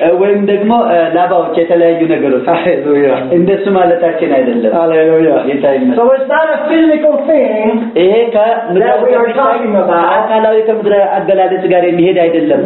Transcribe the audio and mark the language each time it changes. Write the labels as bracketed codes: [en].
[am] when ደግሞ ላባዎች የተለያዩ ነገሮች [en] Hallelujah. [am] እንደሱ ማለታችን አይደለም. [en] Hallelujah. So it's not a physical thing that we are talking about. [am] አካላዊ ከምድር አገላለጽ ጋር የሚሄድ አይደለም.